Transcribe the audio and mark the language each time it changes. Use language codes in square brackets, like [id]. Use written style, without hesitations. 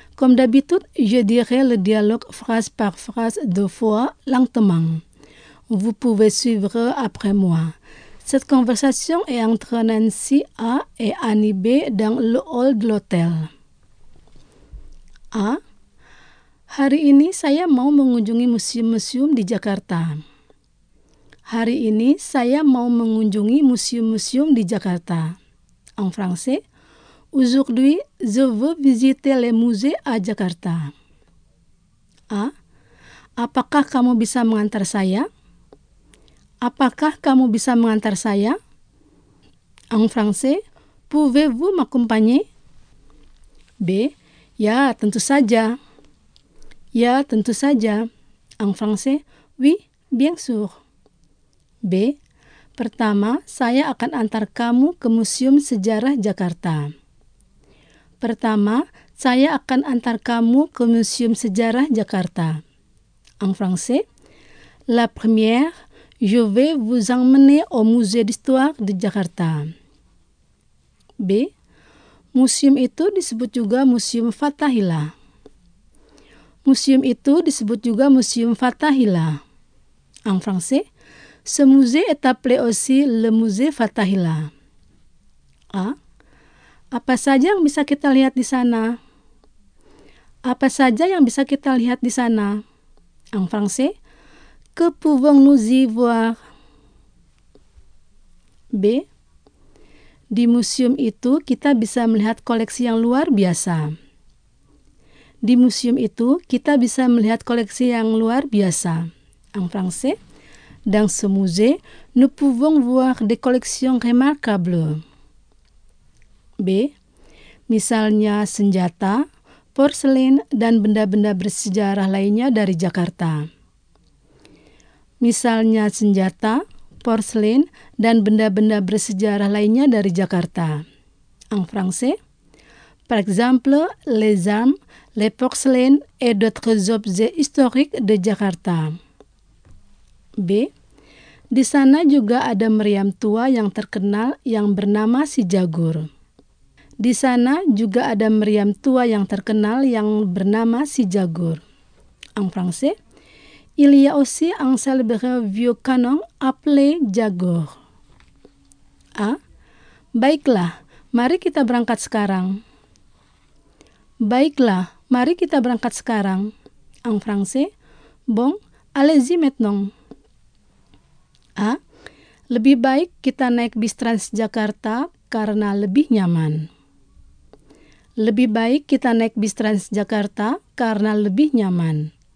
[fr] Comme d'habitude, je dirai le dialogue phrase par phrase deux fois lentement. Vous pouvez suivre après moi. Cette conversation est entre Nancy A et Annie B dans le hall de l'hôtel. A. [id] Hari ini saya mau mengunjungi museum-museum di Jakarta. Hari ini saya mau mengunjungi museum-museum di Jakarta. [fr] En français, aujourd'hui, je veux visiter les musées à Jakarta. A. [id] Apakah kamu bisa mengantar saya? Apakah kamu bisa mengantar saya? [fr] En français, pouvez-vous m'accompagner? B. [id] Ya, tentu saja. Ya, tentu saja. [fr] En français, oui, bien sûr. B. [id] Pertama, saya akan antar kamu ke Museum Sejarah Jakarta. Pertama, saya akan antar kamu ke Museum Sejarah Jakarta. [fr] En français, la première, je vais vous emmener au Musée d'Histoire de Jakarta. B. [id] Museum itu disebut juga Museum Fathahila. Museum itu disebut juga Museum Fathahila. [fr] En français, ce musée est appelé aussi le Musée Fathahila. A. [id] Apa saja yang bisa kita lihat di sana? Apa saja yang bisa kita lihat di sana? [fr] En français, que pouvons-nous y voir? B. [id] Di museum itu kita bisa melihat koleksi yang luar biasa. Di museum itu, kita bisa melihat koleksi yang luar biasa. [fr] En français, dans ce musée, nous pouvons voir des collections remarquables. B. [id] Misalnya senjata, porselen, dan benda-benda bersejarah lainnya dari Jakarta. Misalnya senjata, porselen, dan benda-benda bersejarah lainnya dari Jakarta. [fr] En français, par exemple, les armes, les porcelaines et d'autres objets historiques de Jakarta. B. [id] Di sana juga ada meriam tua yang terkenal yang bernama Si Jagur. Di sana juga ada meriam tua yang terkenal yang bernama Si Jagur. [fr] En français, il y a aussi un célèbre vieux canon appelé Jagur. [id] Ah, baiklah, mari kita berangkat sekarang. Baiklah, mari kita berangkat sekarang. [fr] En français, bon, allez-y maintenant. [id] Ah, lebih baik kita naik bis Transjakarta karena lebih nyaman. Lebih baik kita naik bis Transjakarta karena lebih nyaman.